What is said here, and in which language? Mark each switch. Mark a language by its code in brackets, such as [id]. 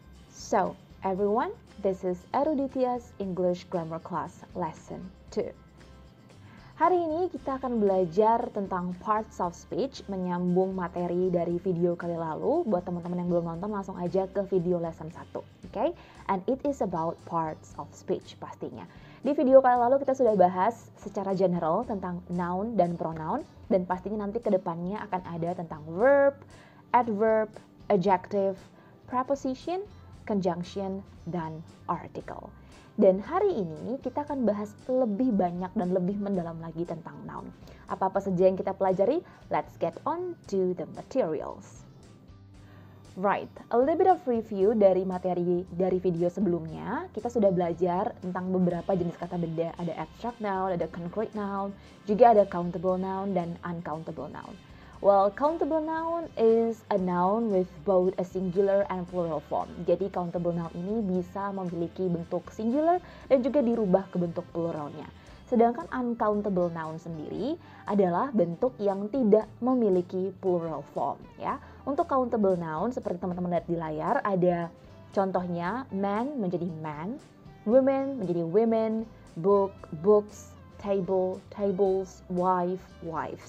[en] So, everyone, this is Eruditia's English Grammar Class Lesson 2. [id] Hari ini kita akan belajar tentang parts of speech, menyambung materi dari video kali lalu. Buat teman-teman yang belum nonton, langsung aja ke video lesson 1, okay? [en] And it is about parts of speech [id] pastinya. Di video kali lalu kita sudah bahas secara general tentang noun dan pronoun, dan pastinya nanti ke depannya akan ada tentang verb, adverb, adjective, preposition, conjunction, dan article. Dan hari ini kita akan bahas lebih banyak dan lebih mendalam lagi tentang noun. Apa-apa saja yang kita pelajari, [en] let's get on to the materials. Right, a little bit of review [id] dari materi dari video sebelumnya. Kita sudah belajar tentang beberapa jenis kata benda. Ada abstract noun, ada concrete noun, juga ada countable noun dan uncountable noun. [en] Well, countable noun is a noun with both a singular and plural form. [id] Jadi, countable noun ini bisa memiliki bentuk singular dan juga dirubah ke bentuk pluralnya. Sedangkan uncountable noun sendiri adalah bentuk yang tidak memiliki plural form. Ya, untuk countable noun, seperti teman-teman lihat di layar, ada contohnya man menjadi man, women menjadi women, book, books, table, tables, wife, wives.